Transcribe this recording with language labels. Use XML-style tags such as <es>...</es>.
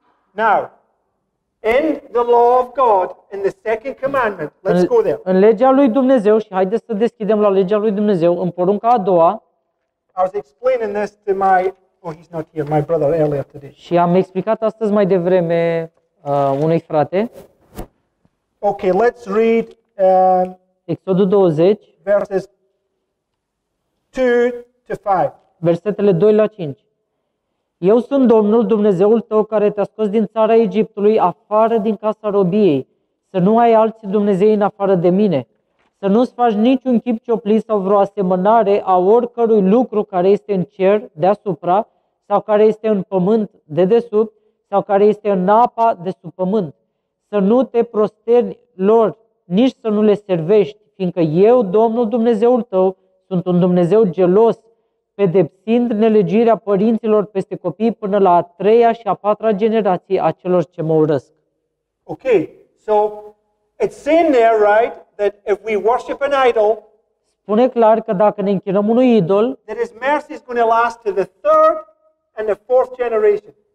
<en>Now, in the law of God, in the second commandment, let's go there.</en> <ro>În legea lui Dumnezeu, și haideți să deschidem la legea lui Dumnezeu, în porunca a doua.</ro> <en>I was explaining this to my, he's not here, my brother earlier today.</en> <ro>Și am explicat astăzi mai devreme unui frate.</ro> <en>Okay, let's read</en> <ro>Exodul 20,</ro> <en>verses 2 to 5.</en> <ro>Versetele 2 la 5. Eu sunt Domnul, Dumnezeul tău, care te-a scos din țara Egiptului, afară din casa robiei. Să nu ai alții Dumnezei în afară de mine. Să nu-ți faci niciun chip cioplit sau vreo asemănare a oricărui lucru care este în cer deasupra sau care este în pământ dedesubt sau care este în apa de sub pământ. Să nu te prosterni lor, nici să nu le servești, fiindcă eu, Domnul Dumnezeul tău, sunt un Dumnezeu gelos, pedepsind nelegirea părinților peste copii până la a treia și a patra generație a celor ce mă urăsc.</ro> <en>Okay, so it's saying there, right, that if we worship an idol,</en> <ro>spune clar că dacă ne închinăm unui idol,</ro> <en>that his mercy is going to last to the third and the fourth generation.</en>